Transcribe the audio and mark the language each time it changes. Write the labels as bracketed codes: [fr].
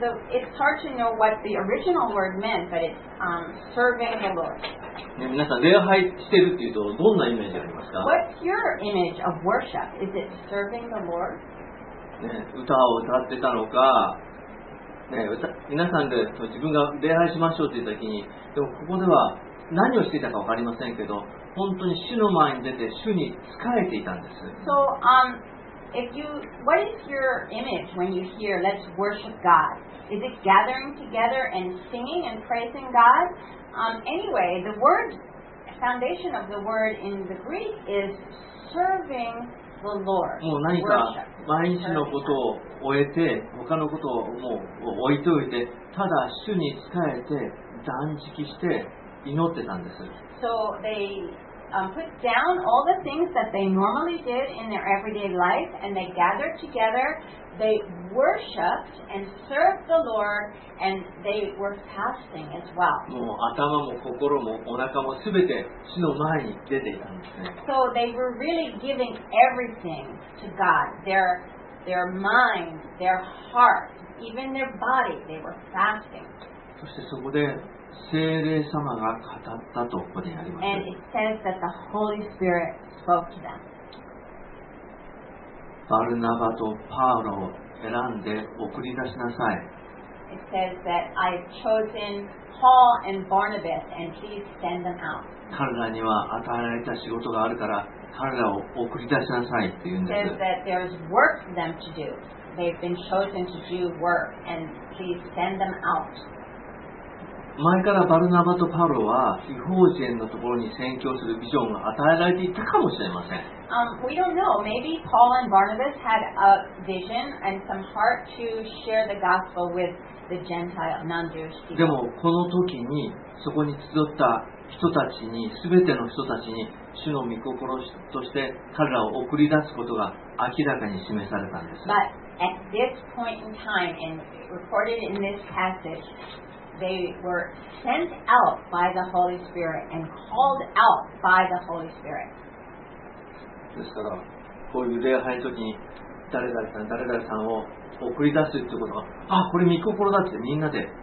[en] It's hard to know what the original word meant, but it's serving the Lord.、 [ja] ね、皆さん、礼拝してるっていうと、どんなイメージありますか？ [en] What's your image of worship? Is it serving the Lord?、 [ja] ね、歌を歌ってたのか、ね、皆さんで自分が礼拝しましょうというときに、でもここでは何をしていたか分かりませんけど、本当に主の前に出て主に仕えていたんです。 [en] So, if you, what is your image when you hear "Let's worship God"? Is it gathering together and singing and praising God? Anyway, the word foundation of the word in the Greek is serving the Lord. [ja] もう何か毎日のことを終えて、他のことをもう置いておいて、ただ主に仕えて断食して祈ってたんです。 [en] So they put down all the things that they normally did in their everyday life and they gathered together, they worshipped and served the Lord and they were fasting as well. [ja] もう頭も心もお腹もすべて主の前に出ていたんですね。 [en] So they were really giving everything to God. Their mind, their heart, even their body, they were fasting. [ja] そしてそこで聖霊様が語ったとここであります。 [en] And it says that the Holy Spirit spoke to them. [ja] バルナバとパウロを選んで送り出しなさい。 [en] It says that I have chosen Paul and Barnabas and please send them out. [ja] 彼らには与えられた仕事があるから彼らを送り出しなさいって言うんです。 [en] It says that there is work for them to do. They've been chosen to do work and please send them out. [ja] 前からバルナバとパウロは異邦人のところに宣教するビジョンが与えられていたかもしれません。 [en] We don't know. Maybe Paul and Barnabas had a vision and some heart to share the gospel with the Gentile non-Jewish people. [ja] でもこの時にそこに集った人たちに、全ての人たちに主の御心として彼らを送り出すことが明らかに示されたんです。 [en] But at this point in time and recorded in this passage,They were sent out by the Holy Spirit and called out by the Holy Spirit. [ja] ですから、こういう礼拝の時に誰々さん誰々さんを送り出すということは、あ、これ御心だってみんなで